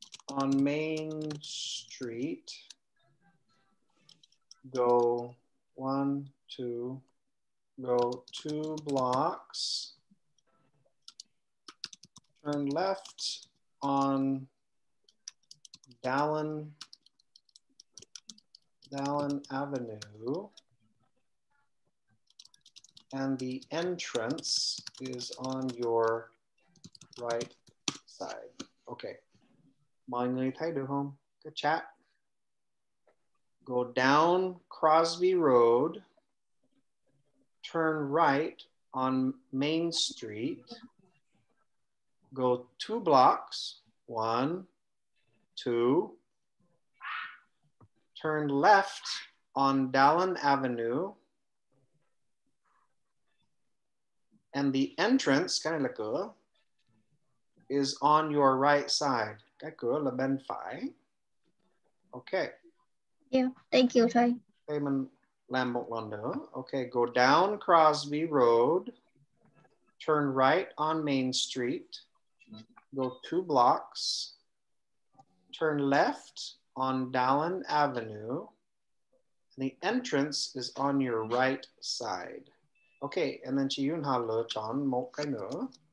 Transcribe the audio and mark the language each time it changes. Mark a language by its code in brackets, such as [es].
[en] On Main Street, go one, two, go two blocks, turn left on Dallin Avenue, and the entrance is on your right side. Okay. [vi] Mọi người thấy được không? Cái chat. [en] Go down Crosby Road. Turn right on Main Street. Go two blocks. One, two. Turn left on Dallin Avenue. And the entrance, [vi] cái này là cửa, [en] is on your right side. [vi] Cái cửa là bên phải. Okay. [en] Yeah, thank you, thầy. [vi] Okay, mình làm một lần nữa. [en] Okay, go down Crosby Road. Turn right on Main Street. Go two blocks. Turn left on Dallin Avenue. And the entrance is on your right side. Okay, and then [vi] chị Yun Ha lựa chọn một cái nữa.